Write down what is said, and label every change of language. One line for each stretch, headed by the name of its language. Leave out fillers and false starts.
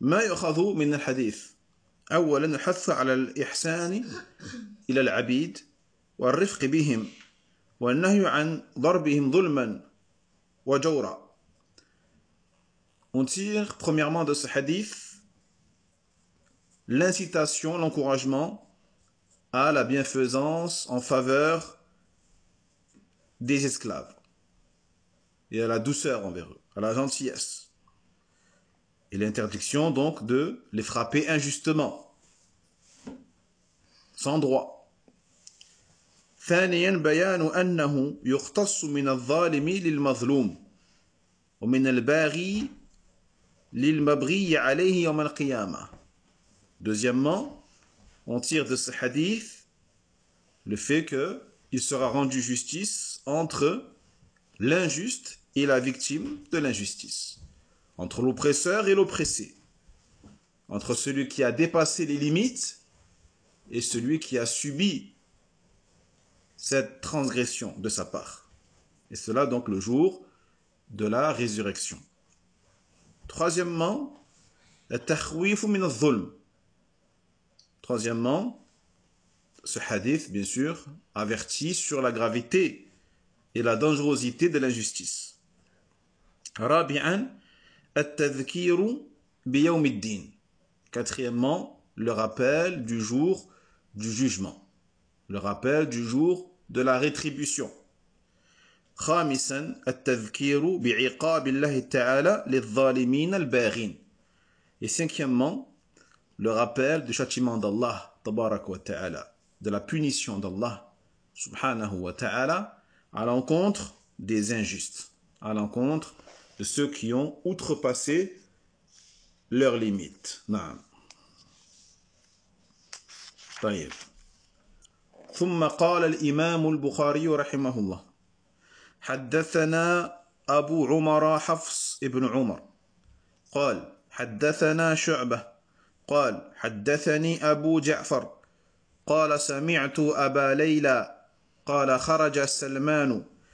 Arabic: ما يؤخذ من الحديث أولا الحث على الإحسان إلى العبيد والرفق بهم والنهي عن ضربهم ظلما وجورا.
French: On tire premièrement de ce hadith l'incitation, l'encouragement à la bienfaisance en faveur des esclaves et à la douceur envers eux, à la gentillesse. Et l'interdiction, donc, de les frapper injustement, sans droit.
Arabic: ثانيا بيان أنه يختص من الظالم للمظلوم ومن الباغي للمبغي عليه يوم القيامة.
French: Deuxièmement, on tire de ce hadith le fait que il sera rendu justice entre l'injuste et la victime de l'injustice. Entre l'oppresseur et l'oppressé, entre celui qui a dépassé les limites et celui qui a subi cette transgression de sa part. Et cela donc le jour de la résurrection. Troisièmement, ce hadith, bien sûr, avertit sur la gravité et la dangerosité de l'injustice.
Arabic: Rabi'an, التذكير بيوم الدين.
French: Quatrièmement, le rappel du jour du jugement. Le rappel du jour de la rétribution.
Arabic: خامسا التذكير بعقاب الله تعالى للظالمين الباغين.
French: Et cinquièmement, le rappel du châtiment d'Allah تبارك وتعالى, de la punition d'Allah سبحانه وتعالى à l'encontre des injustes, à l'encontre de ceux qui ont outrepassé leurs limites.
Arabic: Naam. طيب. ثم قال الإمام البخاري رحمه الله حدثنا أبو عمر حفص ابن عمر قال حدثنا شعبة قال حدثني أبو جعفر قال سمعت أبا ليلى قال خرج سلمان